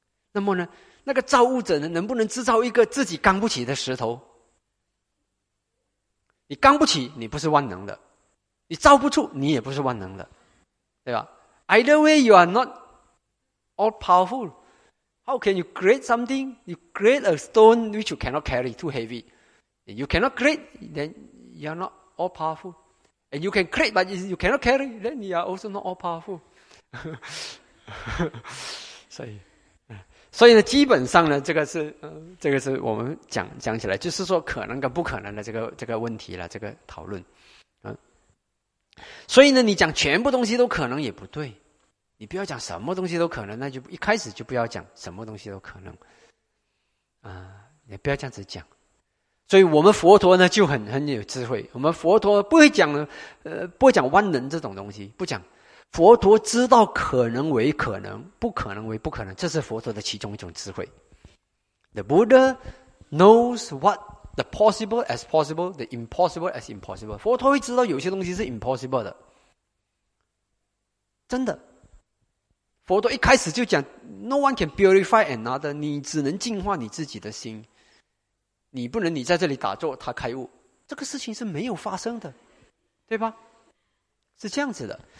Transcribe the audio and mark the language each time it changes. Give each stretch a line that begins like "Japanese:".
Chinese: 那么呢，那个造物者呢，能不能制造一个自己扛不起的石头？你扛不起，你不是万能的；你造不出，你也不是万能的，对吧 ？
English: Either way, you are not all powerful. How can you create something? You create a stone which you cannot carry, too heavy. You cannot create, then you are not all powerful. And you can create, but you cannot carry, then you are also not all powerful.
Chinese: 所以呢，基本上呢，这个是我们讲起来，就是说可能跟不可能的这个问题了，这个讨论。所以呢，你讲全部东西都可能也不对，你不要讲什么东西都可能，那就一开始就不要讲什么东西都可能。也不要这样子讲。所以我们佛陀呢就很有智慧。我们佛陀不会讲万能这种东西，不讲。佛陀知道可能为可能，不可能为不可能，这是佛陀的其中一种智慧。
English: The Buddha knows what the possible as possible, the impossible as impossible.
Chinese: 佛陀会知道有些东西是 impossible 的。真的。佛陀一开始就讲 ,
English: no one can purify another,
Chinese: 你只能净化你自己的心。你不能你在这里打坐他开悟，这个事情是没有发生的，对吧？是这样子的。